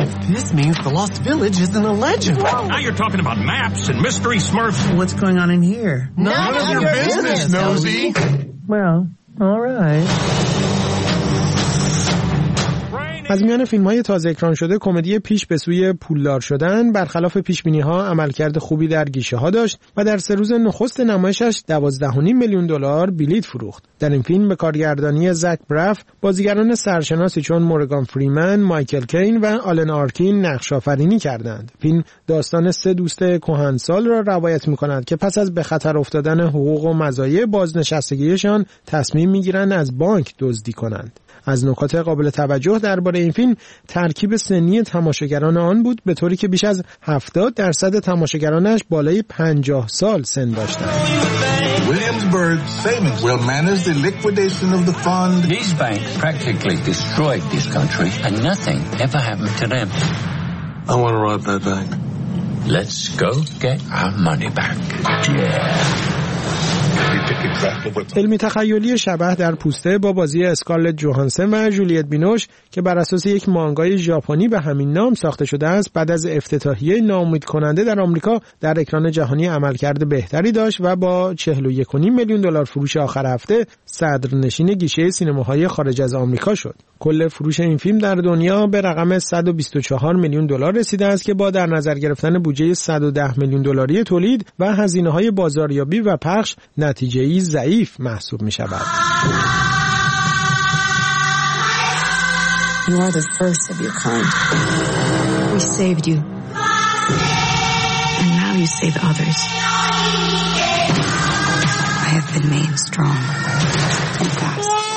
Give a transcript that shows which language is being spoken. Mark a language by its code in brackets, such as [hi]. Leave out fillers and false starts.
[en] This means the lost village isn't a legend. Whoa. Now you're talking about maps and mystery smurfs. What's going on in here? None of your business, Nosy. Well, all right. [fa] از میان فیلم‌های تازه اکران شده کمدی پیش به سوی پولدار شدن برخلاف پیشبینی‌ها عملکرد خوبی در گیشه‌ها داشت و در سه روز نخست نمایشش 12.5 میلیون دلار بلیت فروخت. در این فیلم به کارگردانی زک براف بازیگران سرشناسی چون مورگان فریمن، مایکل کین و آلن آرکین نقش‌آفرینی کردند. فیلم داستان سه دوست کهنسال را روایت می‌کند که پس از به خطر افتادن حقوق و مزایای بازنشستگیشان تصمیم می‌گیرند از بانک دزدی کنند. از نکات قابل توجه درباره این فیلم ترکیب سنی تماشاگران آن بود، به طوری که بیش از 70% تماشاگرانش بالای 50 سال سن داشتند. [en] Williamsburg Savings will manage the liquidation of the fund. These banks practically destroyed this country and nothing ever happened to them. I want to rob that bank. Let's go get our money back. Yeah. [fa] علمی تخیلی شبح در پوسته با بازی اسکارلت جوهانسن و جولیت بینوش که بر اساس یک مانگای ژاپنی به همین نام ساخته شده است بعد از افتتاحیه ناامید کننده در آمریکا در اکران جهانی عملکرد بهتری داشت و با 41.5 میلیون دلار فروش آخر هفته صدرنشین گیشه سینماهای خارج از آمریکا شد. کل فروش این فیلم در دنیا به رقم 124 میلیون دلار رسیده است که با در نظر گرفتن بودجه 110 میلیون دلاری تولید و هزینه های بازاریابی و پخش نتیجه ای ضعیف محسوب می شود. [en] You are the first of your kind. We saved you. And now you save others. I have been made strong and fast.